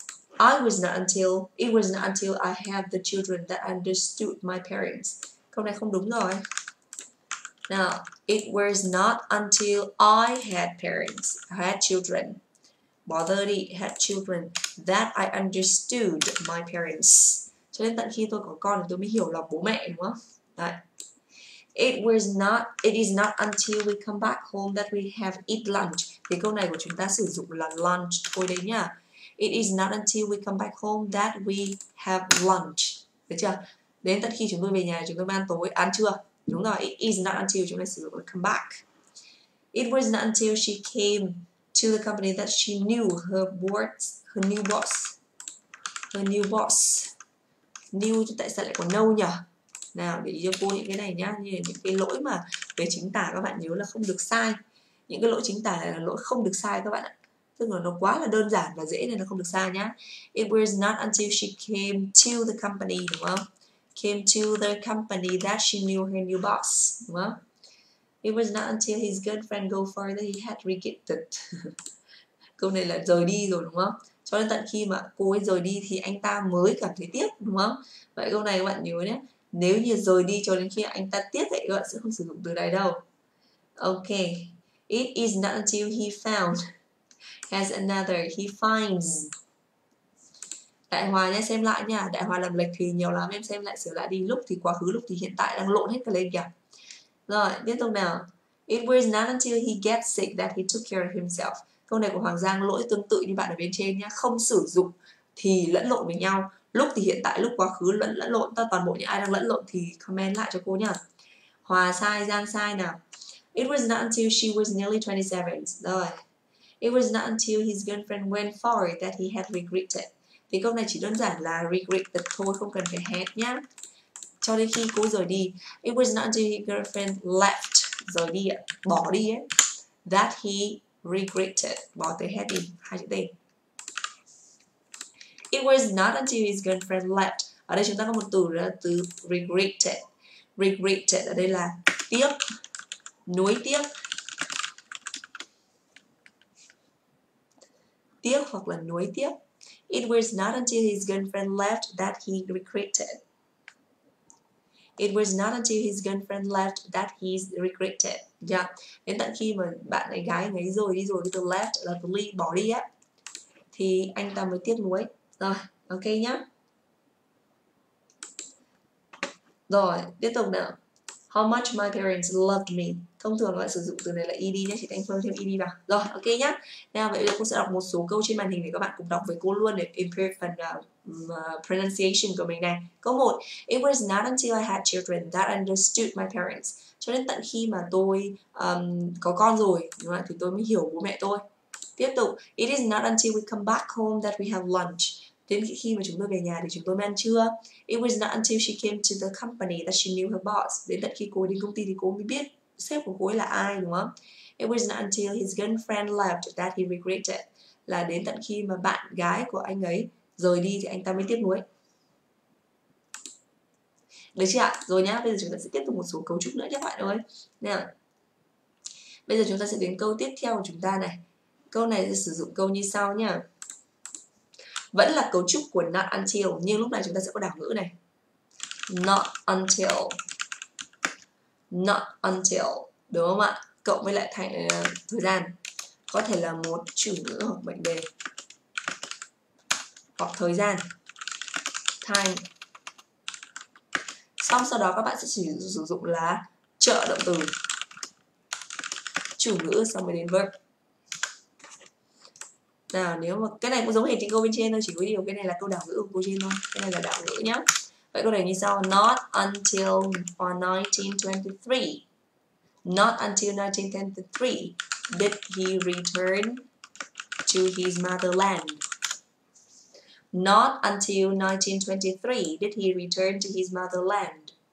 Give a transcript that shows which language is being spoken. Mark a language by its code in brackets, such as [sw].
[en] It was not until I had the children that I understood my parents. [vi] Câu này không đúng rồi. [en] Now, it was not until I had parents, had children. Bother đi, had children that I understood my parents. [vi] Cho nên tận khi tôi có con thì tôi mới hiểu là bố mẹ đúng không? Đấy. [en] It is not until we come back home that we have eat lunch. [vi] Thì câu này của chúng ta sử dụng là lunch thôi đấy nhá. [en] It is not until we come back home that we have lunch. [vi] Được chưa? Đến tận khi chúng tôi về nhà, chúng tôi mới ăn tối, ăn trưa. Đúng rồi, [en] it is not until [vi] chúng ta sử dụng là [en] come back. It was not until she came to the company that she knew her new boss. [vi] Knew tại sao lại còn know nhỉ? Nào để ý cho cô những cái này nhá, như là những cái lỗi mà về chính tả các bạn nhớ là không được sai. Những cái lỗi chính tả là lỗi không được sai các bạn ạ. Tức là nó quá là đơn giản và dễ nên nó không được sai nhá. [en] It was not until she came to the company, [vi] đúng không? [en] Came to the company that she knew her new boss, [vi] đúng không? [en] It was not until his good friend go far that he had regretted. [vi] Câu này là rời đi rồi đúng không? Cho nên tận khi mà cô ấy rời đi thì anh ta mới cảm thấy tiếc đúng không? Vậy câu này các bạn nhớ nhé. Nếu như rời đi cho đến khi anh ta tiếc thì các bạn sẽ không sử dụng từ này đâu. Ok. [en] It is not until he found has another he finds. [vi] Đại hòa nha, xem lại nha. Đại hòa làm lệch thì nhiều lắm. Em xem lại sửa lại đi. Lúc thì quá khứ, lúc thì hiện tại đang lộn hết cả lên kìa. Rồi, tiếp tục nào. [en] It was not until he gets sick that he took care of himself. [vi] Câu này của Hoàng Giang lỗi tương tự như bạn ở bên trên nhá. Không sử dụng thì lẫn lộn với nhau. Lúc thì hiện tại, lúc quá khứ lẫn lộn. Tất toàn bộ những ai đang lẫn lộn thì comment lại cho cô nhá. Hòa sai, Giang sai nào. [en] It was not until she was nearly 27. Rồi. It was not until his girlfriend went for it that he had regretted. [vi] Thì câu này chỉ đơn giản là regret the thôi, không cần phải hết nhá. Cho đến khi cô rời đi. [en] It was not until his girlfriend left, [vi] rời đi ạ, bỏ đi ấy, [en] that he regretted, [vi] bỏ tới hết đi, hai chữ T. [en] It was not until his girlfriend left. [vi] Ở đây chúng ta có một từ đó, từ regretted. Regretted ở đây là tiếc, nuối tiếc. Tiếc hoặc là nuối tiếc. [en] It was not until his girlfriend left that he regretted. It was not until his girlfriend left that he regretted. [vi] Dạ, đến tận khi mà bạn này gái ấy rồi đi rồi, từ left là từ leave, bỏ đi á, thì anh ta mới tiếc nuối. Rồi, ok nhá. Rồi, tiếp tục nào. [en] How much my parents loved me. [vi] Thông thường loại sử dụng từ này là ED nhé, chị Thanh Phương thêm ED vào. Rồi, ok nhá. Nào, vậy là cô sẽ đọc một số câu trên màn hình để các bạn cùng đọc với cô luôn để improve phần pronunciation của mình này. Câu 1. [en] It was not until I had children that I understood my parents. [vi] Cho đến tận khi mà tôi có con rồi, đúng không? Thì tôi mới hiểu bố mẹ tôi. Tiếp tục. [en] It is not until we come back home that we have lunch. [vi] Đến khi mà chúng tôi về nhà thì chúng tôi mới ăn trưa. [en] It was not until she came to the company that she knew her boss. [vi] Đến tận khi cô đến công ty thì cô mới biết sếp của cô ấy là ai, đúng không? [en] It was not until his girlfriend left that he regretted. [vi] Là đến tận khi mà bạn gái của anh ấy rời đi thì anh ta mới tiếc nuối. Được chưa ạ? Rồi nhá, bây giờ chúng ta sẽ tiếp tục một số cấu trúc nữa nhé các bạn ơi. Nào, bây giờ chúng ta sẽ đến câu tiếp theo của chúng ta này. Câu này sẽ sử dụng câu như sau nhá. Vẫn là cấu trúc của not until, nhưng lúc này chúng ta sẽ có đảo ngữ này. Not until. Not until, đúng không ạ? Cộng với lại thành thời gian. Có thể là một chủ ngữ hoặc mệnh đề. Hoặc thời gian. Time. Xong sau đó các bạn sẽ chỉ sử dụng là trợ động từ. Chủ ngữ xong mới đến verb. Nào, nếu mà cái này cũng giống hệt trên câu bên trên thôi, chỉ có điều cái này là câu đảo ngữ của cô trên thôi, cái này là đảo ngữ nhá. Vậy câu này như sau: [en] not until 1923, not until 1923 did he return to his motherland. Not until 1923 did he return to his motherland.